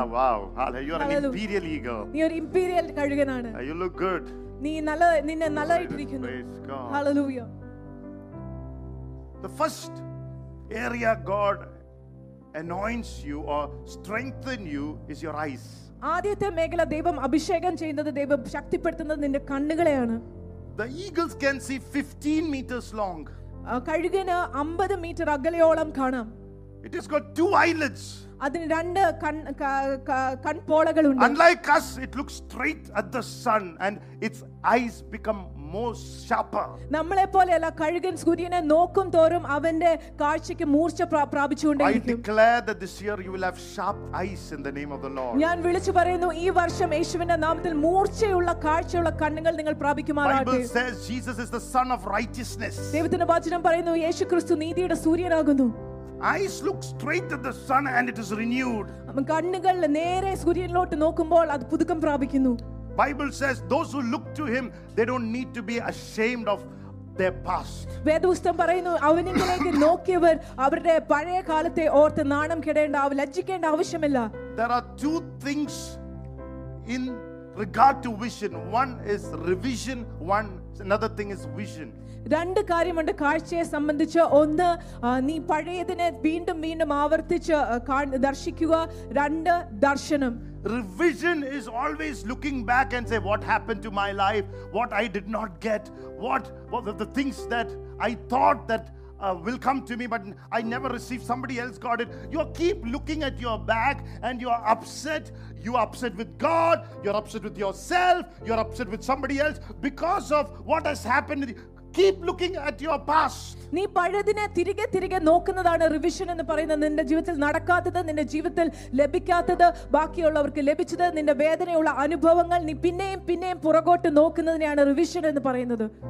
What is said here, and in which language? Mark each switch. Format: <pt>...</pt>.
<en>Ah, wow. Hallelujah. You're an imperial eagle.</en> <ml>Nee oru imperial kalugan aanu.</ml> <en>You look good.</en> <ml>Nee nalla ninne nalla irikkunnu.</ml> <en>Praise God. Hallelujah. The first area God anoints you or strengthen you is your eyes.</en> <ml>ആദ്യത്തെ മേഖല ദൈവം അഭിഷേകം ചെയ്യുന്നത് ദൈവം ശക്തിപ്പെടുത്തുന്നത് നിന്റെ കണ്ണുകളെയാണ്.</ml> <en>The eagles can see 15 meters long.</en> <ml>കഴുകന് 50 metre അകലെയോളം കാണാം.</ml> <en>It has got two eyelids.</en> <ml>അതിന് രണ്ട് കൺപോളകൾ ഉണ്ട്.</ml> <en>Unlike us, it looks straight at the sun and its eyes become more sharper.</en> <ml>നമ്മളെ പോലെയല്ല കഴുകൻ സൂര്യനെ നോക്കും തോറും അവന്റെ കാഴ്ചയ്ക്ക് മൂർച്ച പ്രാപിച്ചുകൊണ്ടിരിക്കും.</ml> <en>I declare that this year you will have sharp eyes in the name of the Lord.</en> <ml>ഞാൻ വിളിച്ചു പറയുന്നു ഈ വർഷം യേശുവിന്റെ നാമത്തിൽ മൂർച്ചയുള്ള കാഴ്ചയുള്ള കണ്ണുകൾ നിങ്ങൾ പ്രാപിക്കുമാറാകട്ടെ.</ml> <en>Bible says Jesus is the son of righteousness.</en> <ml>ദൈവത്തിന്റെ വചനം പറയുന്നു യേശുക്രിസ്തു നീതിയുടെ സൂര്യനാകുന്നു.</ml> <en>Eyes look straight at the sun and it is renewed.</en> <ml>നമ്മ കണ്ണുകൾ നേരെ സൂര്യനിലോട്ട് നോക്കുമ്പോൾ അത് പുതുക്കം പ്രാപിക്കുന്നു.</ml> <en>Bible says those who look to him, they don't need to be ashamed of their past.</en> <ml>വേദപുസ്തകം പറയുന്നു അവനിലേക്ക് നോക്കിയവർ അവരുടെ പഴയ കാലത്തെ ഓർത്ത് നാണം കെടേണ്ട ലജ്ജിക്കേണ്ട ആവശ്യമില്ല.</ml> <en>There are two things in regard to vision. One is revision, another thing is vision.</en> <ml>രണ്ട് കാര്യമുണ്ട് കാഴ്ചയെ സംബന്ധിച്ച്. ഒന്ന്, നീ പഴയതിനെ വീണ്ടും വീണ്ടും ആവർത്തിച്ച് ദർശിക്കുക. രണ്ട്, ദർശനം.</ml> <en>Revision is always looking back and say, what happened to my life, what I did not get, what were the things that I thought that will come to me but I never received, somebody else got it. You keep looking at your back and you are upset. You are upset with God, you are upset with yourself, you are upset with somebody else because of what has happened to you. Keep looking at your past.</en> <ml>നീ പഴയതിനെ തിരികെ തിരികെ നോക്കുന്നതാണ് revision എന്ന് പറയുന്നത്. നിന്റെ ജീവിതത്തിൽ നടക്കാത്തത്, നിന്റെ ജീവിതത്തിൽ ലഭിക്കാത്തത്, ബാക്കിയുള്ളവർക്ക് ലഭിച്ചത്, നിന്റെ വേദനയുള്ള അനുഭവങ്ങൾ നീ പിന്നെയും പിന്നെയും പുറകോട്ട് നോക്കുന്നതിനെയാണ് റിവിഷൻ എന്ന് പറയുന്നത്.</ml>